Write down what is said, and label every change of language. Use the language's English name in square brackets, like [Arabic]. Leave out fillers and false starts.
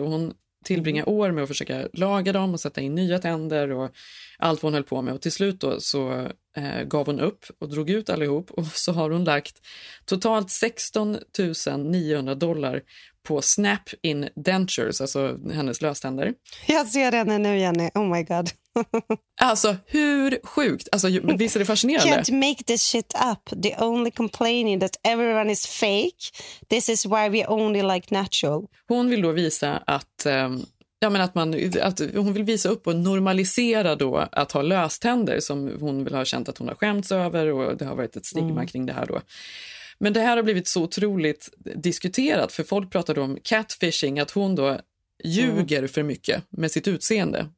[Swedish] Och hon tillbringa år med att försöka laga dem och sätta in nya tänder och allt hon höll på med. Och till slut då så gav hon upp och drog ut allihop och så har hon lagt totalt $16,900 på snap-in dentures, alltså hennes löständer. Jag ser henne nu, Jenny. [English] Oh my god. [Swedish] Alltså, hur sjukt? Alltså, visst är det fascinerande? [English] Can't make this shit up. The only complaining that everyone is fake. This is why we only like natural. [Swedish] Hon vill då visa att ja, men att hon vill visa upp och normalisera då att ha löständer som hon vill ha känt att hon har skämts över och det har varit ett stigma kring det här då. Men det här har blivit så otroligt diskuterat för folk pratar om catfishing, att hon då ljuger för mycket med sitt utseende.